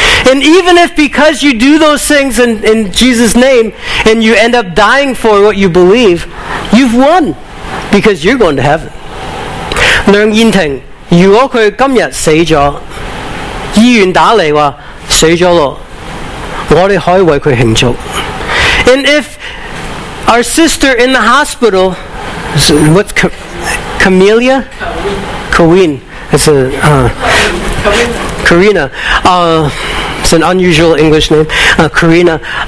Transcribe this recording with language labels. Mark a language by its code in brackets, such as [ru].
[en] And even if because you do those things in Jesus' name, and you end up dying for what you believe, you've won. Because you're going to heaven. [yue] 梁燕婷，如果佢今日死咗，医院打嚟话死咗咯。我哋可以为佢庆祝。 [en] And if our sister in the hospital, what's Camelia? Kareen. It's a Karina. It's an unusual English name. Karina.